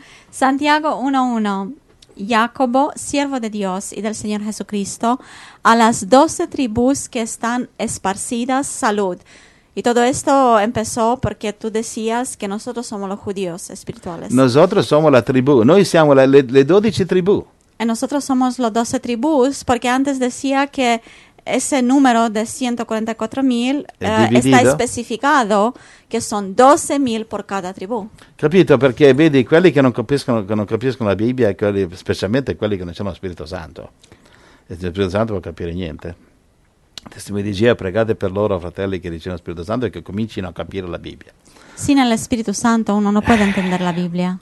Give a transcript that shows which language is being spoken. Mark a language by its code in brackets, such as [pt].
[es] Santiago 1:1, Jacobo, siervo de Dios y del Señor Jesucristo, a las 12 tribus que están esparcidas, salud. Y todo esto empezó porque tú decías que nosotros somos los judíos espirituales. Nosotros somos la tribu, [it] noi siamo le 12 tribù. [es] Y nosotros somos los 12 tribus porque antes decía que ese número de 144.000 está especificado que son 12.000 por cada tribù. [it] Capito, perché vedi, quelli che non capiscono, la Bibbia, quelli, specialmente quelli che non hanno lo Spirito Santo, e lo Spirito Santo può capire niente. Testimoni di Geova, pregate per loro, fratelli, che ricevono lo Spirito Santo e che comincino a capire la Bibbia. Sì, nello Spirito Santo uno non può intendere la Bibbia.